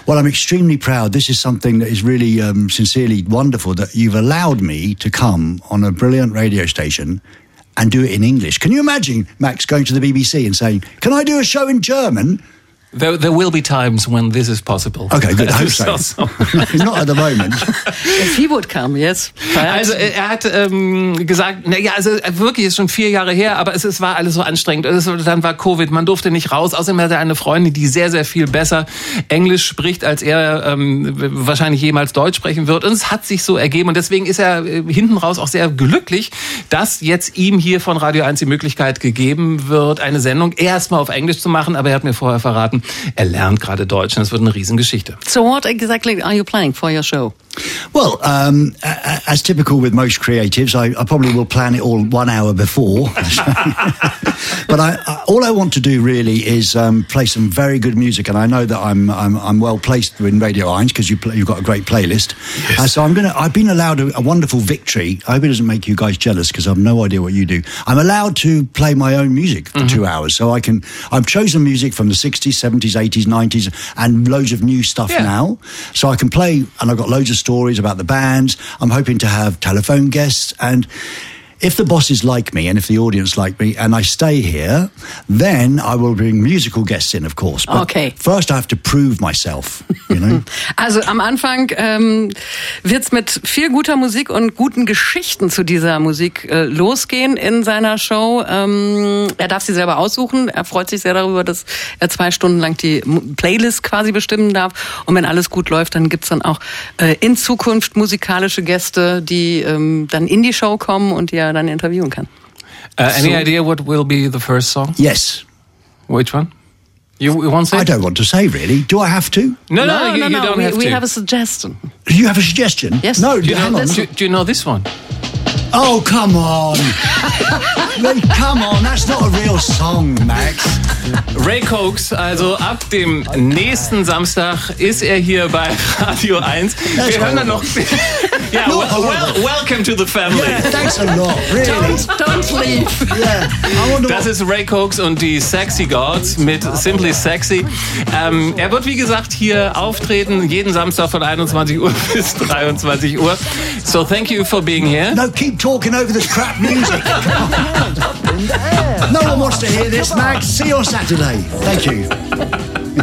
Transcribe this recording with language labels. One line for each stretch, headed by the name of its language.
English: Well, I'm extremely proud. This is something that is really sincerely wonderful that you've allowed me to come on a brilliant radio station and do it in English. Can you imagine Max going to the BBC and saying, "Can I do a show in German?" There will be times when this is possible. Okay, good. I hope so. Not at the moment.
German: Fibut kam jetzt. Also er hat gesagt, naja, also wirklich, ist schon 4 Jahre her, aber es war alles so anstrengend. Dann war Covid, man durfte nicht raus. Außerdem hat er eine Freundin, die sehr, sehr viel besser Englisch spricht, als er wahrscheinlich jemals Deutsch sprechen wird. Und es hat sich so ergeben. Und deswegen ist er hinten raus auch sehr glücklich, dass jetzt ihm hier von Radio 1 die Möglichkeit gegeben wird, eine Sendung erstmal auf Englisch zu machen. Aber er hat mir vorher verraten, er lernt gerade Deutsch. Und das wird eine Riesengeschichte.
English: So what exactly are you planning for your show? Well, as typical with most creatives, I probably will plan it all 1 hour before. But all I want to do really is play some very good music, and I know that I'm well placed in Radio 1 because you've got a great playlist. Yes. I've been allowed a wonderful victory. I hope it doesn't make you guys jealous because I've no idea what you do. I'm allowed to play my own music for 2 hours, so I've chosen music from the 60s, 70s, 80s, 90s, and loads of new stuff now, so I can play, and I've got loads of stories about the bands. I'm hoping to have telephone guests, and if the bosses like me and if the audience like me and I stay here, then I will bring musical guests in, of course. But okay. First I have to prove myself, you know.
German: Also am Anfang wird es mit viel guter Musik und guten Geschichten zu dieser Musik losgehen in seiner Show. Er darf sie selber aussuchen. Er freut sich sehr darüber, dass er 2 Stunden lang die Playlist quasi bestimmen darf. Und wenn alles gut läuft, dann gibt es dann auch in Zukunft musikalische Gäste, die dann in die Show kommen und die dann interviewen kann.
English: Any idea what will be the first song? Yes. Which one? You want to say? I don't want to say, really. Do I have to? No, you don't have to. We have a suggestion. You have a suggestion? Yes. No, do you know this one? Oh, come on. Come on, that's not a real song, Max.
German: Ray Cokes, also ab dem nächsten Samstag ist er hier bei Radio 1.
English: That's
German: wir hören dann noch...
English: welcome to the family. Yeah, thanks a lot, really. Don't leave.
German: Das ist Ray Cokes und die Sexy Gods mit Simply Sexy. Er wird, wie gesagt, hier auftreten, jeden Samstag von 21 Uhr bis 23 Uhr.
English: So thank you for being here. No, keep talking over this crap music. No one wants to hear this, Max. See you on Saturday. Thank you.